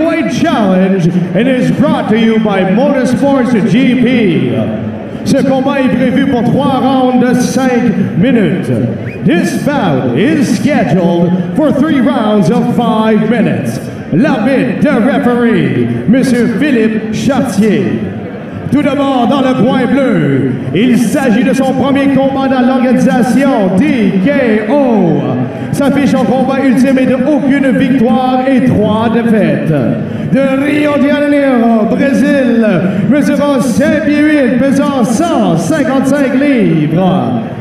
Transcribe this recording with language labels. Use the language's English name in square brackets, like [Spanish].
[English] And it's brought to you by Motorsports GP. [French] Ce combat est prévu pour 3 rounds de 5 minutes. [English] This bout is scheduled for 3 rounds of 5 minutes. [French] L'arbitre de referee, Monsieur Philippe Chartier. Tout d'abord dans le coin bleu, il s'agit de son premier combat dans l'organisation TKO. Sa fiche en combat ultime est de aucune victoire et 3 défaites. De Rio de Janeiro, Brésil, mesurant 5 pieds 8, pesant 155 livres.